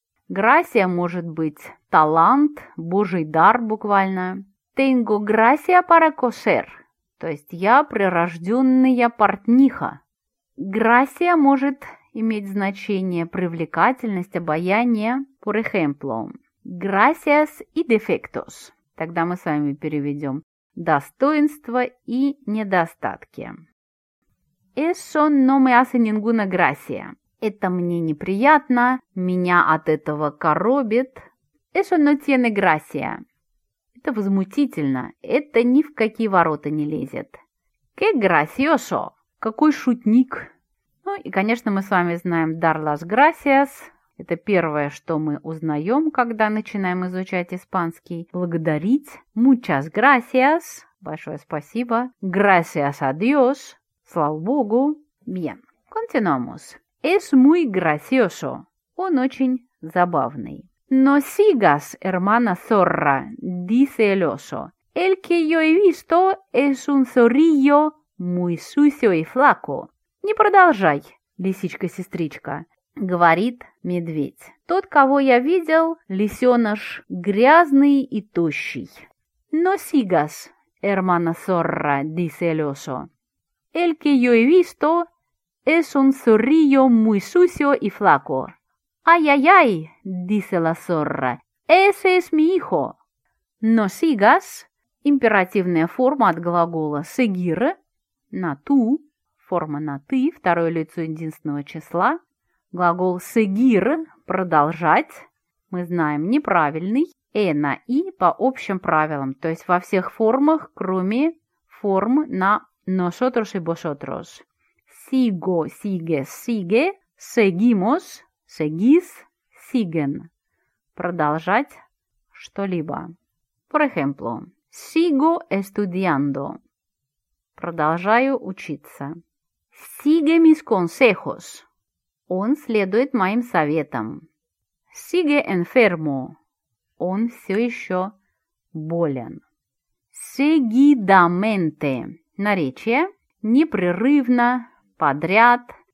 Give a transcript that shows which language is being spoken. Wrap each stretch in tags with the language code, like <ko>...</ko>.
<ru>«gracia» может быть «талант», «божий дар» буквально,</ru> <es>«Tengo gracia para coser»,</es> <ru>то есть «я прирожденная портниха». «Gracia» может иметь значение «привлекательность», «обаяние».</ru> <es>Por ejemplo, «gracias y defectos».</es> <ru>Тогда мы с вами переведем «достоинства и недостатки».</ru> <es>«Eso no me hace ninguna gracia».</es> <ru>«Это мне неприятно», «меня от этого коробит».</ru> <es>«Eso no tiene gracia».</es> <ru>Это возмутительно, это ни в какие ворота не лезет.</ru> <es>Qué gracioso!</es> <ru>Какой шутник! Ну и, конечно, мы с вами знаем</ru> <es>dar las gracias.</es> <ru>Это первое, что мы узнаем, когда начинаем изучать испанский. Благодарить.</ru> <es>Muchas gracias.</es> <ru>Большое спасибо.</ru> <es>Gracias a Dios.</es> <ru>Слава Богу.</ru> <es>Bien. Continuamos. Es muy gracioso.</es> <ru>Он очень забавный.</ru> <es>«No sigas, hermana zorra», dice el oso. «El que yo he visto es un zorrillo muy sucio y flaco».</es> <ru>«Не продолжай, лисичка-сестричка», говорит медведь. «Тот, кого я видел, лисёныш грязный и тощий».</ru> <es>«No sigas, hermana zorra», dice el oso. «El que yo he visto es un zorrillo muy sucio y flaco». «Ай-яй-яй!» – dice la zorra. «Ese es mi hijo!» «No sigas!»</es> <ru>– императивная форма от глагола «seguir» – «на ту», форма «на ты», второе лицо единственного числа. Глагол «seguir» – «продолжать» – мы знаем неправильный, «э» на «и» по общим правилам, то есть во всех формах, кроме форм на «nosotros» и «vosotros».</ru> <es>«Sigo», «sigue», «sigue», «seguimos», «Seguis», «siguen» –</es> <ru>«продолжать что-либо».</ru> <en>For example,</en> <es>«sigo estudiando»</es> <ru>– «продолжаю учиться».</ru> <es>Sigue mis consejos.</es> <ru>Он следует моим советам.</ru> <es>Sigue enfermo.</es> <ru>Он все еще болен. Seguidamente. Наречие. Непрерывно, подряд.</ru>